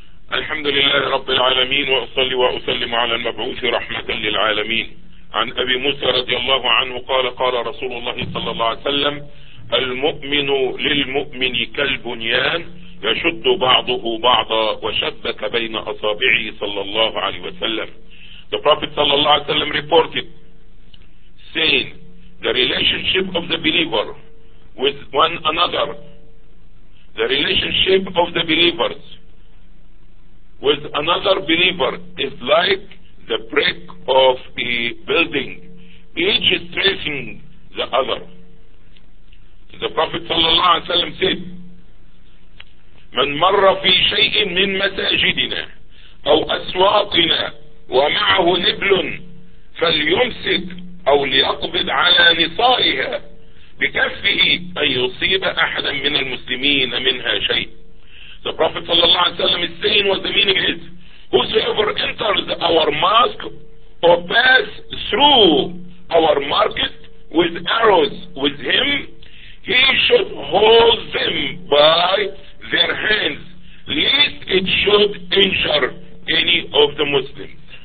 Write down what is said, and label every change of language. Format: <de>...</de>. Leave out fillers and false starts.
<ar>الحمد لله رب العالمين وأصلي وأسلم على المبعوث رحمة للعالمين عن أبي موسى رضي الله عنه قال قال رسول الله صلى الله عليه وسلم المؤمن للمؤمن كالبنيان يشد بعضه بعضا وشبك بين أصابعه صلى الله عليه وسلم.</ar> <en>The Prophet صلى الله عليه وسلم reported saying the relationship of the believer with one another, the relationship of the believers with another believer is like the brick of a building, each is tracing the other. The Prophet صلى الله عليه وسلم said</en> <ar>من مر في شيء من مساجدنا أو أسواقنا ومعه نبل فليمسك أو ليقبض على نصائها بكفه أن يصيب أحدا من المسلمين منها شيء.</ar> <en>The Prophet صلى الله عليه وسلم is saying what the meaning is, whosoever enters our mosque or pass through our market with arrows with him, he should hold them by their hands, lest it should injure any of the Muslims.</en>